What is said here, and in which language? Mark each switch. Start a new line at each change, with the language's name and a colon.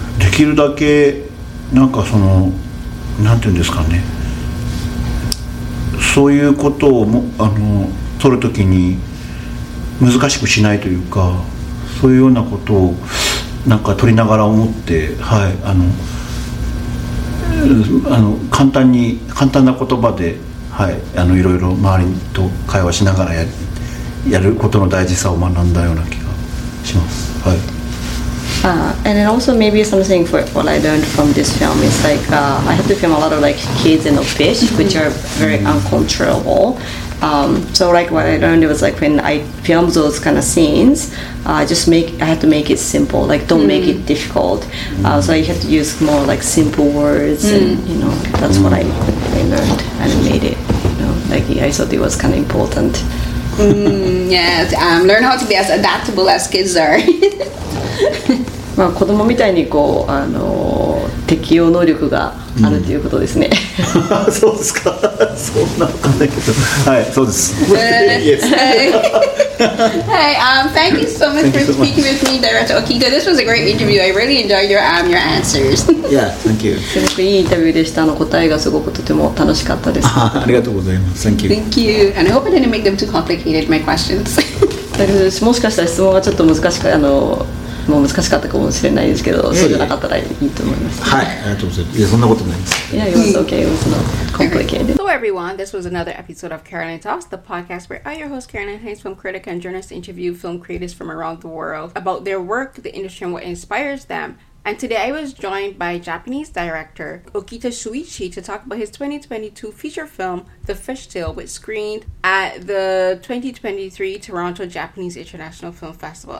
Japanese: きるだけなんかそのなんていうんですかね、そういうことをも撮るときに難しくしないというか、そういうようなことをなんか撮りながら思って、はい、簡単な言葉で、はい、いろいろ周りと会話しながら やることの大事さを学んだような気がします。はい、
English: And then also maybe something for what I learned from this film is like I had to film a lot of like kids and fish which are very uncontrollableso like what I learned was like when I film those kind of scenes, I had to make it simple, like don't make it difficult. So I had to use more like simple words and you know, that's what I learned and made it, you know, like I thought it was kind of important. Learn how to be as adaptable as kids are.
Japanese: まあ子供みたいにこう、適応能力があるということですね。そうですか。そんなわかんないけど、はい、そうです。
English: Yes. Hi, thank you so much for speaking with me, Director Okita. This was a great interview. I really enjoyed your answers. Yeah, thank you.
Japanese: すごくいいインタビューでした。答えがすごくとても楽しかったです。ありがとうございます。
English: Thank you. Thank you. And I hope I didn't make them too complicated, my questions.
Japanese: だけど、もしかしたら質問がちょっと難しく、もう難しかったかもしれないですけど、そうじゃなかったらいいと思います。はい、ありがとうございます。いや、そんなことないです。
English: Yeah, it was okay. Hello everyone, this was another episode of Carolyn Talks, the podcast where I, your host Carolyn Hayes, film critic and journalist, interview film creators from around the world about their work, the industry, and what inspires them. And today I was joined by Japanese director Okita Shuichi to talk about his 2022 feature film, The Fishtail, which screened at the 2023 Toronto Japanese International Film Festival.